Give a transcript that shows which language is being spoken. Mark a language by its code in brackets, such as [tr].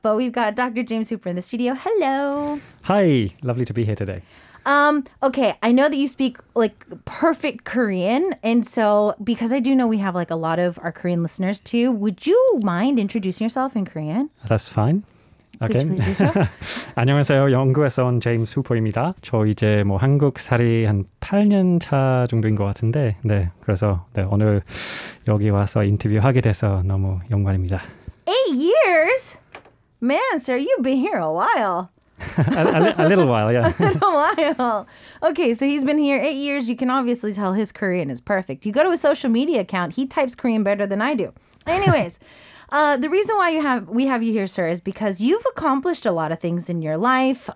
[en] But we've got Dr. James Hooper in the studio. Hello. Hi. Lovely to be here today. Okay, I know that you speak like perfect Korean, and so because I do know we have like a lot of our Korean listeners too, would you mind introducing yourself in Korean? That's fine. Okay. Could you please do so? [ko] 안녕하세요. 영국에서 온 제임스 후퍼입니다. 저 이제 뭐 한국 살이 한 8년 차 정도인 것 같은데, 네, 그래서 네, 오늘 여기 와서 인터뷰하게 돼서 너무 영광입니다. [en] 8 years, man, sir, you've been here a while. a little while, yeah. A little while. Okay, so he's been here 8 years. You can obviously tell his Korean is perfect. You go to his social media account, he types Korean better than I do. Anyways, the reason why we have you here, sir, is because you've accomplished a lot of things in your life.